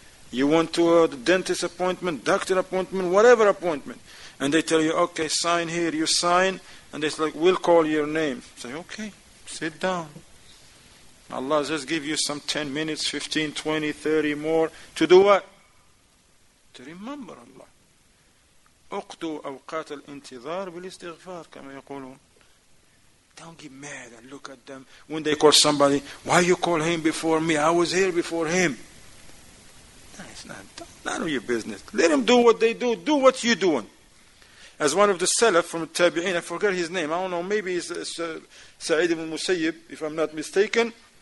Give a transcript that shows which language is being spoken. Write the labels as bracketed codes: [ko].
[en] You went to a dentist appointment, doctor appointment, whatever appointment, and they tell you, okay, sign here, you sign, and it's like, we'll call your name. Say, okay, sit down. Allah just give you some 10 minutes, 15, 20, 30 more to do what? To remember Allah. [ar] اقضوا أوقات الانتظار بالاستغفار كما يقولون. [en] Don't get mad and look at them when they call somebody. Why you call him before me? I was here before him. None of your business. Let them do what they do. Do what you're doing. As one of the Salaf from Tabi'in, I forget his name. I don't know. Maybe it's Sa'id ibn Musayyib, if I'm not mistaken.